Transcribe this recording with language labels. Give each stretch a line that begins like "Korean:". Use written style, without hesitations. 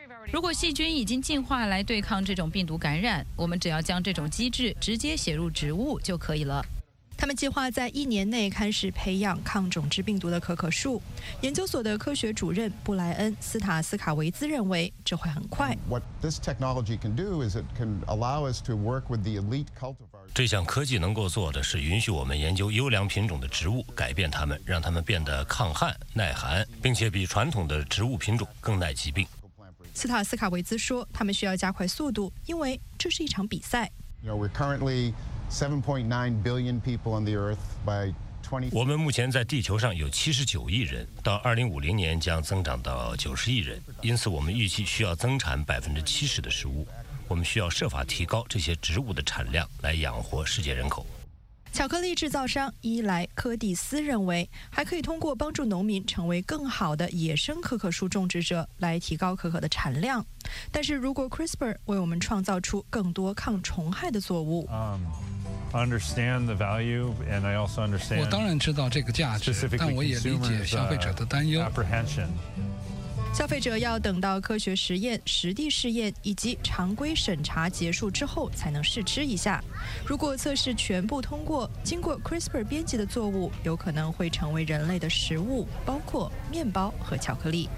Chinese: 如果细菌已经进化来对抗这种病毒感染，我们只要将这种机制直接写入植物就可以了。他们计划在一年内开始培养抗种支病毒的可可树。研究所的科学主任布莱恩·斯塔斯卡维兹认为，这会很快。
English: What this technology can do is it can allow us to work with the elite cultivars.
Chinese: 这项科技能够做的是允许我们研究优良品种的植物，改变它们，让它们变得抗旱、耐寒，并且比传统的植物品种更耐疾病。斯塔斯卡维兹说，他们需要加快速度，因为这是一场比赛。我们目前在地球上有79亿人，到2050年将增长到90亿人，因此我们预计需要增产70%的食物。我们需要设法提高这些植物的产量来养活世界人口。巧克力制造商伊莱·科蒂斯认为，还可以通过帮助农民成为更好的野生可可树种植者来提高可可的产量。但是如果 CRISPR 为我们创造出更多抗虫害的作物，
English: understand the value, and I also understand.
Chinese: 我当然知道这个价值，但我也理解消费者的担忧。消费者要等到科学实验、实地试验以及常规审查结束之后才能试吃一下。如果测试全部通过，经过 CRISPR 编辑的作物有可能会成为人类的食物，包括面包和巧克力。